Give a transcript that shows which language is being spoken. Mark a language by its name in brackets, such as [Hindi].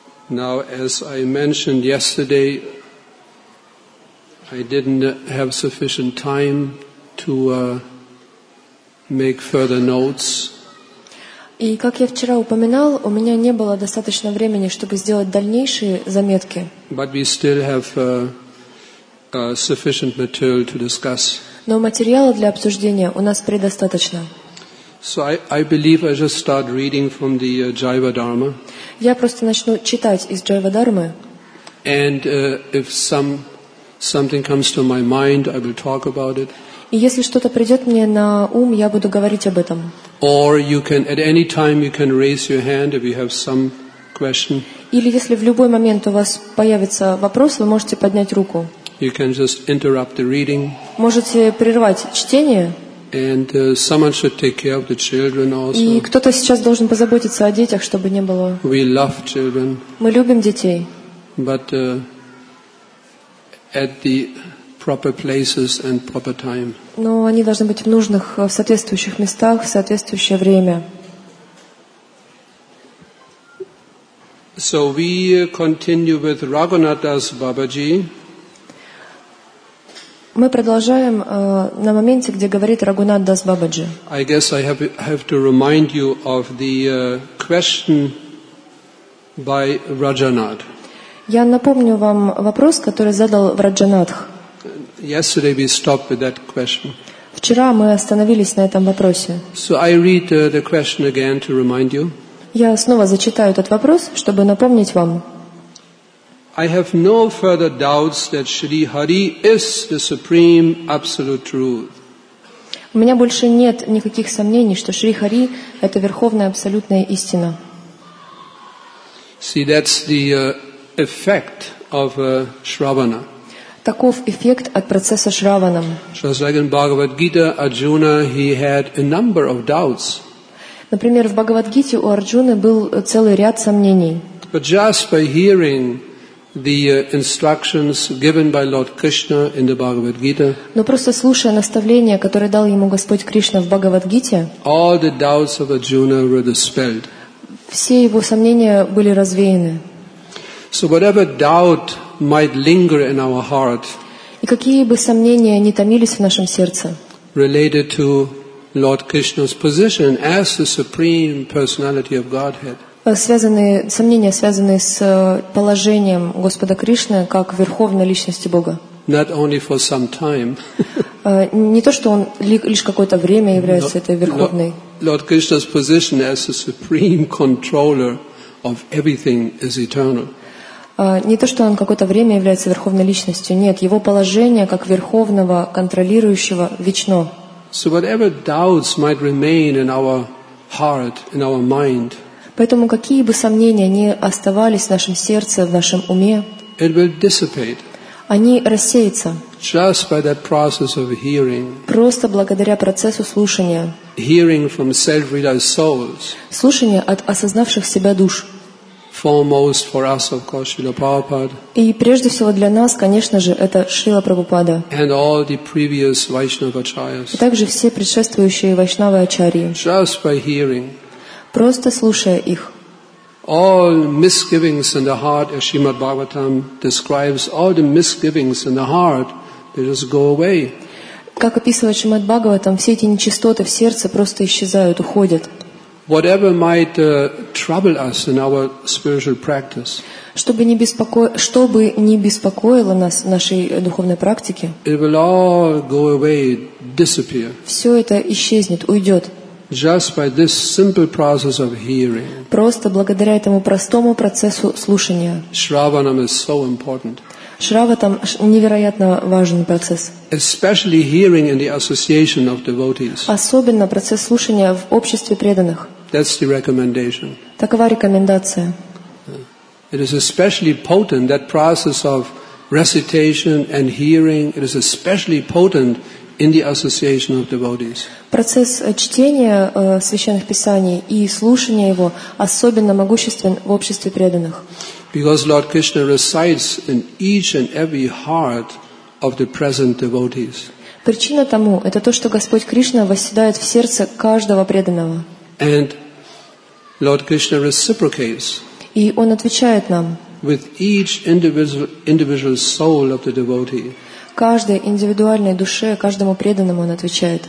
[English] Now, as I mentioned yesterday, I didn't have sufficient time to make further notes. [Russian] И как я вчера упоминал, у меня не было достаточно времени, чтобы сделать дальнейшие заметки. [English] But we still have sufficient material to discuss. [Russian] Но материала для обсуждения у нас предостаточно. [English] So I believe I just start reading from the Jiva Dharma. [Russian] Я просто начну читать из Jiva Dharma. [English] And if something comes to my mind, I will talk about it. [Russian] И если что-то придет мне на ум, я буду говорить об этом. [English] Or you can at any time you can raise your hand if you have some question. [Russian] Или если в любой момент у вас появится вопрос, вы можете поднять руку. [English] You can just interrupt the reading. [Russian] Можете прервать чтение. [English] And someone should take care of the children also. [Russian] И кто-то сейчас должен позаботиться о детях, чтобы не было. [English] We love children. [Russian] Мы любим детей. [English] But at the proper places and proper time. [Russian] Но они должны быть в нужных, в соответствующих местах, в соответствующее время. [English] So we continue with Raghunathdas Babaji. [Russian] Мы продолжаем на моменте, где говорит Рагунат Дас Бабаджи. [English] I guess I have to remind you of the question by Rajanath. [Russian] Я напомню вам вопрос, который задал Раджанатх. [English] Yesterday we stopped with that question. [Russian] Вчера мы остановились на этом вопросе. [English] So I read the question again to remind you. [Russian] Я снова зачитаю этот вопрос, чтобы напомнить вам. [English] I have no further doubts that Shri Hari is the supreme absolute truth. [Russian] У меня больше нет никаких сомнений, что Шри Хари это верховная абсолютная истина. [English] See, that's the effect of Shravana. [Russian] Таков эффект от процесса Шраванам. [English] Just like in Bhagavad Gita, Arjuna he had a number of doubts. [Russian] Например, в Бхагавадгите у Арджуны был целый ряд сомнений. [English] But just by hearing the instructions given by Lord Krishna in the Bhagavad Gita. [Russian] Но просто слушая наставления, которые дал ему Господь Кришна в Бхагавадгите. [English] All the doubts of Arjuna were dispelled. [Russian] Все его сомнения были развеяны. [English] So whatever doubt might linger in our heart. [Russian] И какие бы сомнения ни томились в нашем сердце. [English] Related to Lord Krishna's position as the supreme personality of Godhead. [Russian] Сомнения, связанные с положением Господа Кришны как Верховной Личности Бога. [English] Not only for some time. [Russian] Не то, что Он лишь какое-то время является этой Верховной. [English] Lord Krishna's position as the supreme controller of everything is eternal. [Russian] Не то, что Он какое-то время является Верховной Личностью. Нет, Его положение как Верховного Контролирующего вечно. [English] So whatever doubts might remain in our heart, in our mind, [Russian] поэтому какие бы сомнения ни оставались в нашем сердце, в нашем уме, [English] it will dissipate. [Russian] Они рассеются. [English] Just by that process of hearing. [Russian] Просто благодаря процессу слушания. [English] Hearing from self-realized souls. [Russian] Слушание от осознавших себя душ. [English] Foremost for us, of course, Srila Prabhupada. [Russian] И прежде всего для нас, конечно же, это Шрила Прабхупада. [English] And all the previous Vaishnava Acharyas. [Russian] И также все предшествующие Вайшнавы Ачарьи. [English] Just by hearing. [Russian] Просто слушая их. [English] All misgivings in the heart, as Srimad Bhagavatam describes, all the misgivings in the heart, they just go away. [Russian] Как описывает Шримад Бхагаватам, все эти нечистоты в сердце просто исчезают, уходят. [English] Whatever might trouble us in our spiritual practice. [Russian] Чтобы не беспокоило нас в нашей духовной практике. [English] It will all go away, disappear. [Russian] Все это исчезнет, уйдет. [English] Just by this simple process of hearing. [Russian] Просто благодаря этому простому процессу слушания. [English] Shravanam is so important. [Russian] Shravanam невероятно важный процесс. [English] Especially hearing in the association of devotees. [Russian] Особенно процесс слушания в обществе преданных. [English] That's the recommendation. [Russian] Такова рекомендация. [English] It is especially potent, that process of recitation and hearing, it is especially potent in the association of devotees. [Russian] Процесс чтения священных писаний и слушания его особенно могуществен в обществе преданных. [English] Because Lord Krishna resides in each and every heart of the present devotees. [Russian] Причина тому – это то, что Господь Кришна восседает в сердце каждого преданного. [English] And Lord Krishna reciprocates. [Russian] И Он отвечает нам. [English] With each individual soul of the devotee. [Russian] Каждой индивидуальной душе, каждому преданному он отвечает.